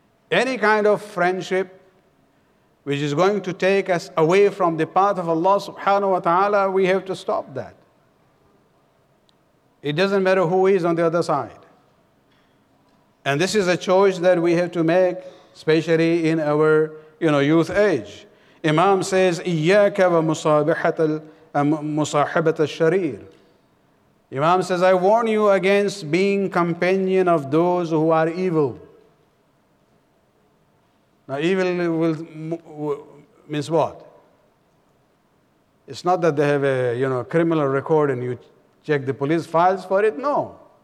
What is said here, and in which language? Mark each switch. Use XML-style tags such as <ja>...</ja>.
<en>Any kind of friendship which is going to take us away from the path of Allah subhanahu wa ta'ala, we have to stop that. It doesn't matter who is on the other side. And this is a choice that we have to make, especially in our, you know, youth age. Imam says,</en> <ar>إِيَّاكَ وَمُصَاحِبَةَ الشَّرِيرِ.</ar> <en>Imam says, I warn you against being companion of those who are evil. Now, evil means what? It's not that they have a, you know, criminal record and you check the police files for it. No.</en>